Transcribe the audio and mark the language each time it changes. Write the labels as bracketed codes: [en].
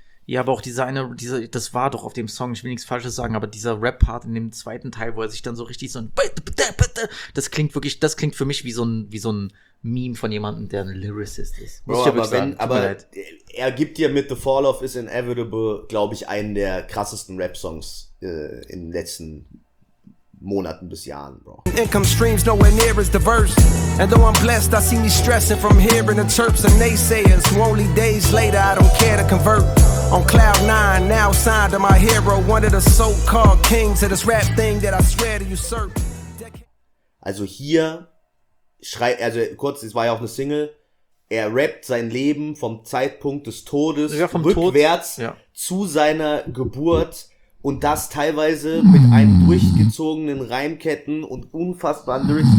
[de] Ja, aber auch dieser, das war doch auf dem Song, ich will nichts Falsches sagen, aber dieser Rap-Part in dem zweiten Teil, wo er sich dann so richtig so ein, das klingt für mich wie so ein Meme von jemandem, der ein Lyricist ist. Bro, ich aber wenn, sagen, aber er gibt dir mit The Fall Off Is Inevitable, glaube ich, einen der krassesten Rap-Songs in den letzten Monaten bis Jahren, Bro. [en] Income streams nowhere near as diverse. And though I'm blessed, I see me stressing from hearing the chirps and naysayers. Only days later, I don't care to convert. On cloud 9, now signed to my hero, one of the so-called kings of this rap thing that I swear to usurp. [de] Also hier schreibt, also kurz, es war ja auch eine Single, er rappt sein Leben vom Zeitpunkt des Todes rückwärts zu seiner Geburt und das teilweise mit einem durchgezogenen Reimketten und unfassbaren Lyrics.